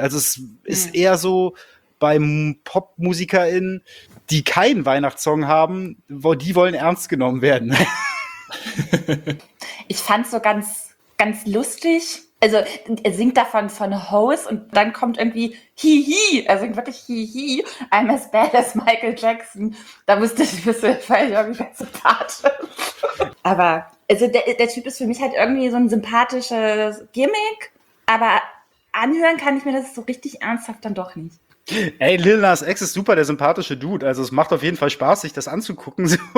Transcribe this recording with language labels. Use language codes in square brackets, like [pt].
[de] Also, es ist eher so bei PopmusikerInnen, die keinen Weihnachtssong haben, die wollen ernst genommen werden. Ich fand's so ganz, ganz lustig. Also, er singt davon von Hose und dann kommt irgendwie Hihi. Er singt wirklich Hihi. [en] I'm as bad as Michael Jackson. [de] Da wusste ich ein bisschen, weil ich irgendwie so tat. Aber. Also der Typ ist für mich halt irgendwie so ein sympathisches Gimmick, aber anhören kann ich mir das so richtig ernsthaft dann doch nicht. Ey, Lil Nas X ist super der sympathische Dude, also es macht auf jeden Fall Spaß, sich das anzugucken. So.